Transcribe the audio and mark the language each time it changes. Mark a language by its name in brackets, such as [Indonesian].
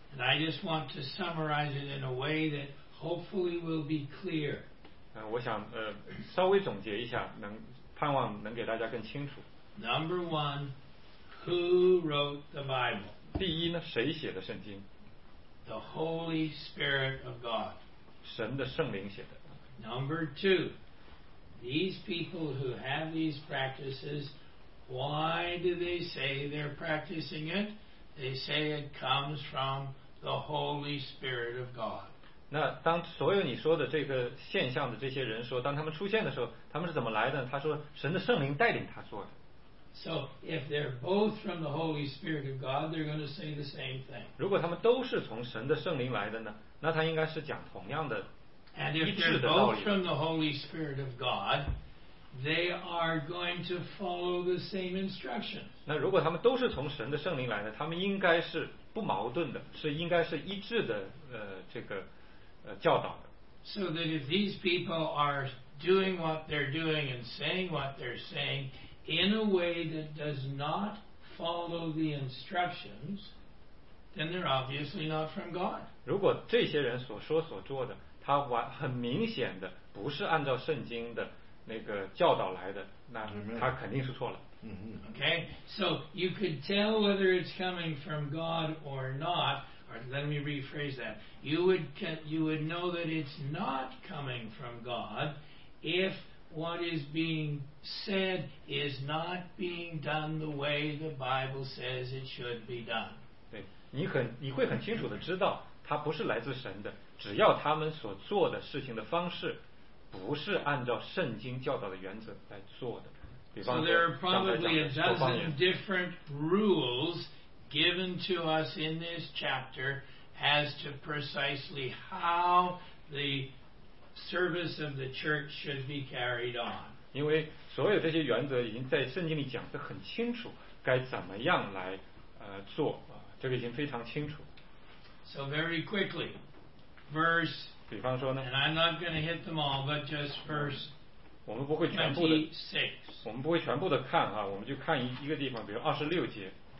[English] And I just want to summarize it in a way that hopefully will be clear. [Chinese] 我想稍微总结一下，能盼望能给大家更清楚。 [English] Number one, who wrote the Bible? [Chinese] 第一呢，谁写的圣经？ [English] The Holy Spirit of God. [Chinese] 神的圣灵写的。 [English] Number two, these people who have these practices, why do they say they're practicing it? They say it comes from the Holy Spirit of God. [Chinese] 那当所有你说的这个现象的这些人说，当他们出现的时候，他们是怎么来的？他说，神的圣灵带领他做的。 [English] So if they're both from the Holy Spirit of God, they're going to say the same thing. [Chinese] 如果他们都是从神的圣灵来的呢？那他应该是讲同样的，一致的道理。 [English] And if they're both from the Holy Spirit of God, they are going to follow the same instruction. [Chinese] 那如果他们都是从神的圣灵来的，他们应该是不矛盾的，是应该是一致的，这个，教导的。 [English] So that if these people are doing what they're doing and saying what they're saying in a way that does not follow the instructions, then they're obviously not from God. [Chinese] 如果这些人所说所做的，他很明显的不是按照圣经的那个教导来的，那他肯定是错了。 Mm-hmm. [English] Okay, so you could tell whether it's coming from God or not. Or let me rephrase that. You would know that it's not coming from God if what is being said is not being done the way the Bible says it should be done. [Chinese] 对，你会很清楚的知道它不是来自神的，只要他们所做的事情的方式不是按照圣经教导的原则来做的。 [English] So there are probably a dozen different rules given to us in this chapter as to precisely how the service of the church should be carried on. [Chinese] 因为所有这些原则已经在圣经里讲得很清楚，该怎么样来做，这个已经非常清楚。 [English] So very quickly, verse. [Chinese] 比方说呢？ [English] And I'm not going to hit them all, but just verse. [Chinese] 我们不会全部的，我们不会全部的看啊，我们就看一个地方，比如二十六节。